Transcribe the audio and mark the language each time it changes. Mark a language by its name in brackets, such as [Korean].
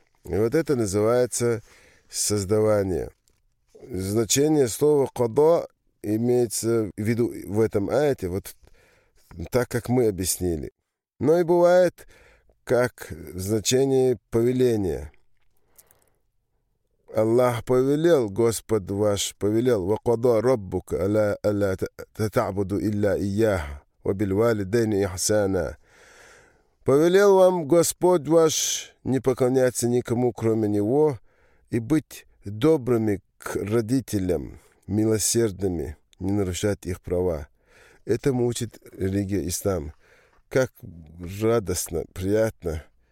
[Russian] И вот это называется создавание. Значение слова «кадо» имеется в виду в этом аяте, вот так, как мы объяснили. Но и бывает, как в значении повеления. Аллах повелел, Господь ваш повелел, [Arabic] وَقَضَى رَبُّكَ أَلَّا تَتَعْبُدُ إِلَّا إِيَّهُ وَبِالْوَالِدَيْنِ إِحْسَانًا. [Russian] Повелел вам Господь ваш не поклоняться никому, кроме Него, и быть добрыми к родителям, милосердными, не нарушать их права. Этому учит религия ислам. Как радостно, приятно.